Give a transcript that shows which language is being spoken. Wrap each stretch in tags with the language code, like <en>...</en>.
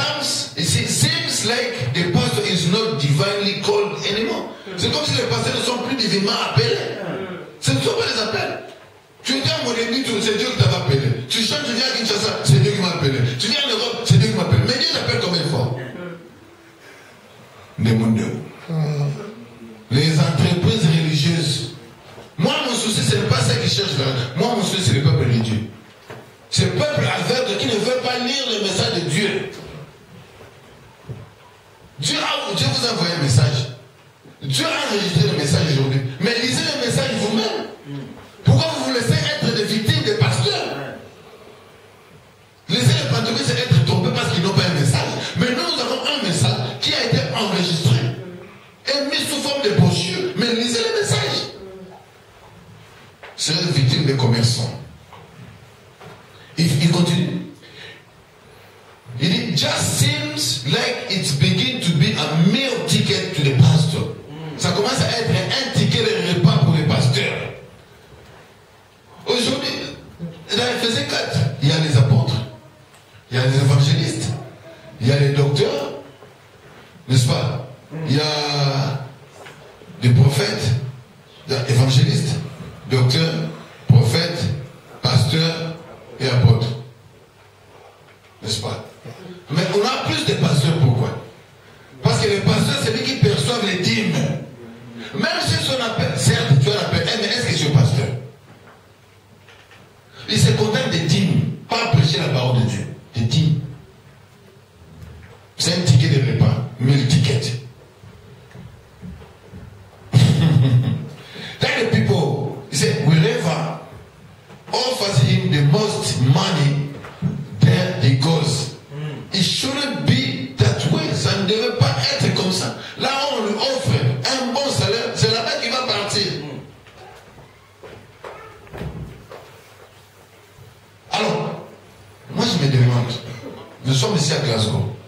<en>It seems like the pastor is not divinely called anymore.</en> <fr>C'est comme si les pasteurs ne sont plus divinement appelés. Ce ne sont pas les appels. Tu étais à mon ennemi, c'est Dieu qui t'a appelé. Tu changes, tu viens à Kinshasa, c'est Dieu qui m'a appelé. Tu viens en Europe, c'est Dieu qui m'appelle. Mais Dieu t'appelle combien de fois? Demandez-vous. Les entreprises religieuses. Moi, mon souci, ce n'est pas ça qui cherche. Moi, mon souci, c'est le peuple de Dieu. Ce peuple aveugle qui ne veut pas lire le message de Dieu. Dieu vous a envoyé un message. Dieu a enregistré le message aujourd'hui. Mais lisez le message vous-même. Pourquoi vous vous laissez être des victimes des pasteurs? Laissez les pantomimes être trompés parce qu'ils n'ont pas un message. Mais nous, nous avons un message qui a été enregistré et mis sous forme de brochure. Mais lisez le message. C'est une victime des commerçants. Il continue. Il dit,</fr> <en>just seems like it's begin to be a meal ticket to the pastor.</en> <fr>Ça commence à être un ticket de repas pour les pasteurs. Aujourd'hui, dans Ephésiens 4, il y a les apôtres, il y a les évangélistes, il y a les docteurs, n'est-ce pas? Il y a des prophètes, des évangélistes, docteurs, prophètes, pasteurs et apôtres. N'est-ce pas? Mais on a plus de pasteurs, pourquoi? Parce que le pasteur, c'est lui qui perçoit les dîmes. Même si son appel, certes, tu as l'appel, mais est-ce que c'est un pasteur? Il se contente des dîmes, pas prêcher la parole de Dieu. Des dîmes. C'est un ticket de repas, 1000 tickets.</fr> <en>Tell the people, he said, whoever offers him the most money, there he goes. It shouldn't be that way.</en> <fr>Ça ne devait pas être comme ça. Là où on lui offre un bon salaire, c'est là-bas qu'il va partir. Alors, moi je me demande, nous sommes ici à Glasgow.</fr>